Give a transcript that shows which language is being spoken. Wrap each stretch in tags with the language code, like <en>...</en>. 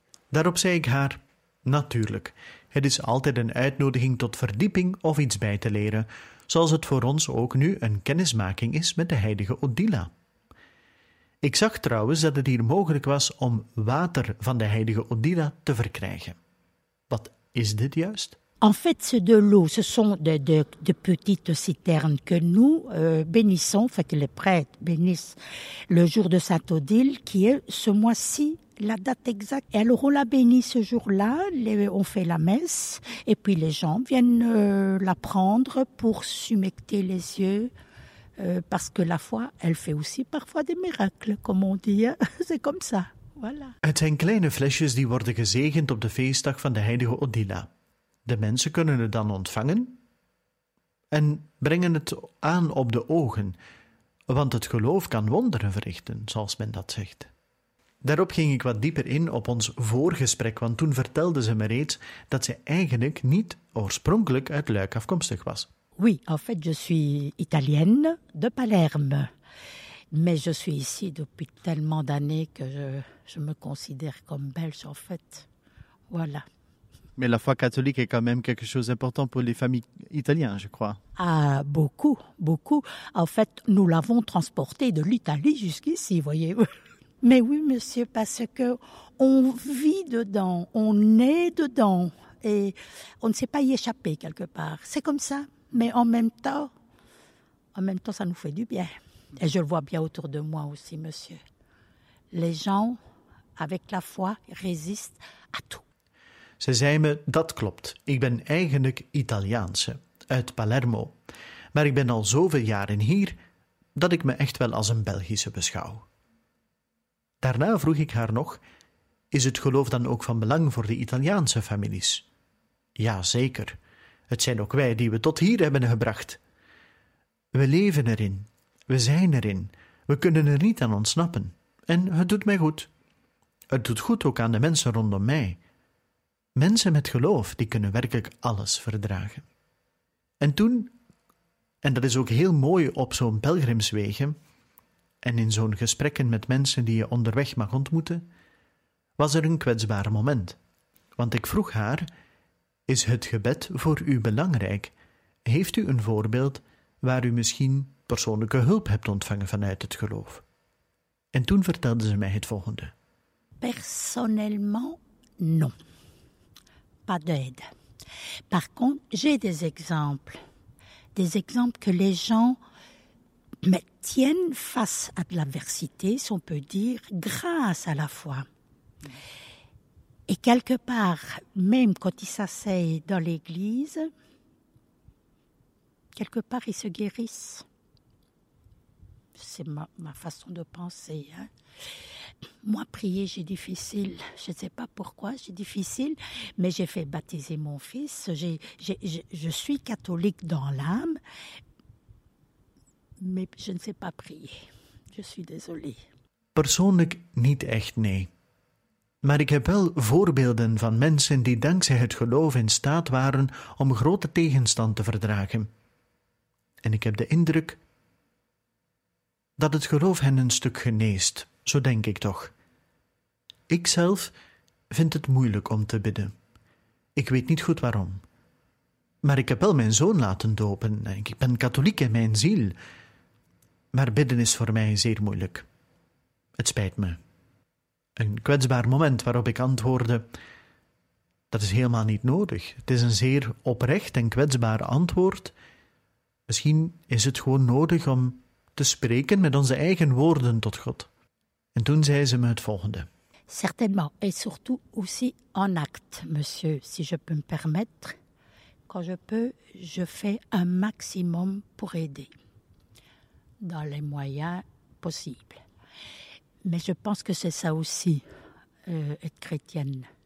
<nl>Daarop zei ik haar: natuurlijk, het is altijd een uitnodiging tot verdieping of iets bij te leren, zoals het voor ons ook nu een kennismaking is met de heilige Odila. Ik zag trouwens dat het hier mogelijk was om water van de heilige Odila te verkrijgen. Wat is dit juist?</nl> <fr>En fait, c'est de l'eau. Ce sont de petites citernes que nous bénissons, enfin que les prêtres bénissent le jour de Sainte Odile, qui est ce mois-ci, la date exacte. Et alors, on la bénit ce jour-là, on fait la messe, et puis les gens viennent la prendre pour s'humecter les yeux. Parce que la foi, elle fait aussi parfois des miracles, comme on dit. C'est comme ça. Voilà.</fr> <nl>Het zijn kleine flesjes die worden gezegend op de feestdag van de heilige Odila. De mensen kunnen het dan ontvangen en brengen het aan op de ogen. Want het geloof kan wonderen verrichten, zoals men dat zegt. Daarop ging ik wat dieper in op ons voorgesprek, want toen vertelde ze me reeds dat ze eigenlijk niet oorspronkelijk uit Luik afkomstig was.</nl> <fr>Oui, en fait, je suis italienne de Palerme, mais je suis ici depuis tellement d'années que je me considère comme belge, en fait. Voilà. Mais la foi catholique est quand même quelque chose d'important pour les familles italiennes, je crois. Ah, beaucoup, beaucoup. En fait, nous l'avons transportée de l'Italie jusqu'ici, voyez-vous. Mais oui, monsieur, parce que on vit dedans, on est dedans, et on ne sait pas y échapper quelque part. C'est comme ça. Mais en même temps, ça nous fait du bien. Et je le vois bien autour de moi aussi, monsieur. Les gens, avec la foi, résistent à tout.</fr> <nl>Ze zei me, dat klopt. Ik ben eigenlijk Italiaanse, uit Palermo. Maar ik ben al zoveel jaren hier, dat ik me echt wel als een Belgische beschouw. Daarna vroeg ik haar nog, is het geloof dan ook van belang voor de Italiaanse families? Ja, zeker. Het zijn ook wij die we tot hier hebben gebracht. We leven erin. We zijn erin. We kunnen er niet aan ontsnappen. En het doet mij goed. Het doet goed ook aan de mensen rondom mij. Mensen met geloof, die kunnen werkelijk alles verdragen. En toen, en dat is ook heel mooi op zo'n pelgrimswegen, en in zo'n gesprekken met mensen die je onderweg mag ontmoeten, was er een kwetsbaar moment. Want ik vroeg haar, is het gebed voor u belangrijk? Heeft u een voorbeeld waar u misschien persoonlijke hulp hebt ontvangen vanuit het geloof? En toen vertelde ze mij het volgende.</nl> <fr>Personnellement, non. Pas d'aide. Par contre, j'ai des exemples. Des exemples que les gens tiennent face à de l'adversité, si on peut dire, grâce à la foi. Et quelque part, même quand ils s'asseyent dans l'église, quelque part, ils se guérissent. C'est ma façon de penser. Hein. Moi, prier, j'ai difficile. Je ne sais pas pourquoi j'ai difficile, mais j'ai fait baptiser mon fils. Je suis catholique dans l'âme, mais je ne sais pas prier. Je suis désolée.</fr> <nl>Persoonlijk niet echt, nee. Maar ik heb wel voorbeelden van mensen die dankzij het geloof in staat waren om grote tegenstand te verdragen. En ik heb de indruk dat het geloof hen een stuk geneest, zo denk ik toch. Ikzelf vind het moeilijk om te bidden. Ik weet niet goed waarom. Maar ik heb wel mijn zoon laten dopen. Ik ben katholiek in mijn ziel. Maar bidden is voor mij zeer moeilijk. Het spijt me. Een kwetsbaar moment waarop ik antwoordde, dat is helemaal niet nodig. Het is een zeer oprecht en kwetsbaar antwoord. Misschien is het gewoon nodig om te spreken met onze eigen woorden tot God. En toen zei ze me het volgende.</nl> <fr>Certainement, et surtout aussi en acte, monsieur, si je peux me permettre. Quand je peux, je fais un maximum pour aider. Dans les moyens possibles. Mais je pense que c'est ça aussi, être chrétienne.</fr>